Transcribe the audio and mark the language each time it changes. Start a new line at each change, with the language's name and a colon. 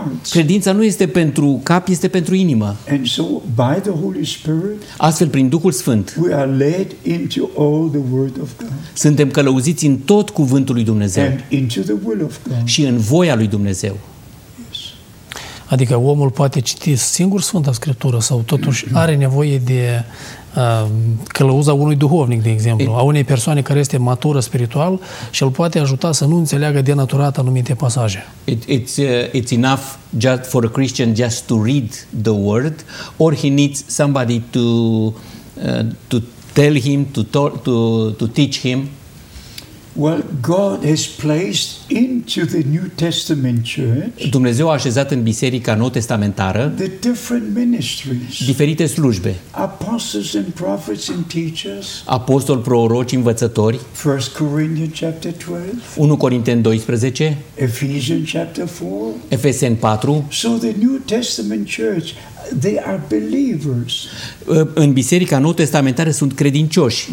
Romanian: Credința nu este pentru cap, este pentru inimă.
English: By the Holy Spirit.
Romanian: Astfel prin Duhul Sfânt.
English: We are led into all the word of God.
Romanian: Suntem călăuziți în tot cuvântul lui Dumnezeu.
English: And into the will of God.
Romanian: Și în voia lui Dumnezeu.
English: Yes.
Romanian: Adică omul poate citi singur Sfânta Scriptură sau totuși are nevoie de călăuza unui duhovnic, de exemplu, a unei persoane care este matură spiritual și îl poate ajuta să nu înțeleagă denaturat anumite pasaje.
English: It's enough just for a Christian just to read the word, or he needs somebody to tell him, to teach him. Well, God has placed into the New Testament church.
Romanian: Dumnezeu a așezat în biserica nou testamentară
English: the different ministries.
Romanian: Diferite slujbe.
English: Apostles and prophets and teachers.
Romanian: Apostoli, proroci, învățători.
English: 1 Corinthians chapter 12.
Romanian: 1 Corinteni 12.
English: Ephesians chapter 4.
Romanian: Efeseni 4.
English: So the New Testament church, they are believers.
Romanian: În biserica nou testamentară sunt credincioși.